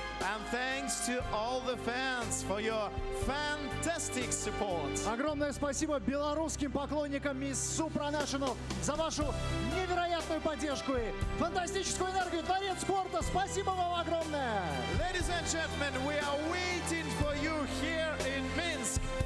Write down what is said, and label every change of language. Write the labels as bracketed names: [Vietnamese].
[English] And thanks to all the fans for your fantastic support. [Russian] Огромное спасибо белорусским поклонникам Miss Supranational за вашу невероятную поддержку и фантастическую энергию. Дворец спорта, спасибо вам огромное. [English] Ladies and gentlemen, we are waiting for you here in Minsk.